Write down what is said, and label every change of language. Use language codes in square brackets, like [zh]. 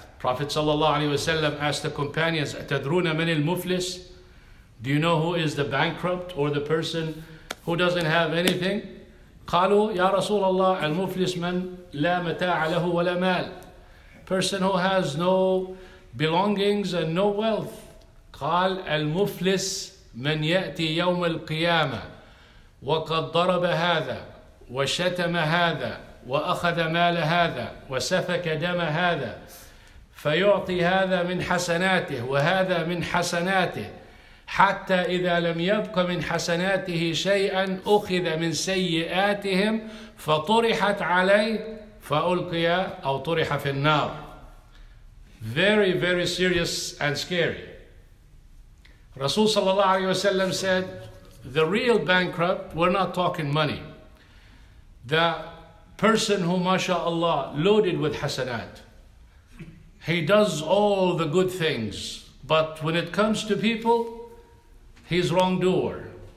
[en] Prophet sallallahu alaihi wasallam asked the companions, [ar] "Atadruna man al-muflis?" [en] Do you know who is the bankrupt or the person who doesn't have anything? [ar] Qalu ya Rasulullah al-muflis man la mata'a lahu wa la mal. [en] Person who has no belongings and no wealth. [ar] قال المفلس من يأتي يوم القيامة وقد ضرب هذا وشتم هذا وأخذ مال هذا وسفك دم هذا فيعطي هذا من حسناته وهذا من حسناته حتى إذا لم يبق من حسناته شيئا أخذ من سيئاتهم فطرحت عليه فألقي أو طرح في النار. [en] Very very serious and scary. Rasul sallallahu alayhi wa sallam said, the real bankrupt, we're not talking money. The person who, mashallah, loaded with hasanat. He does all the good things, but when it comes to people, he's wrongdoer.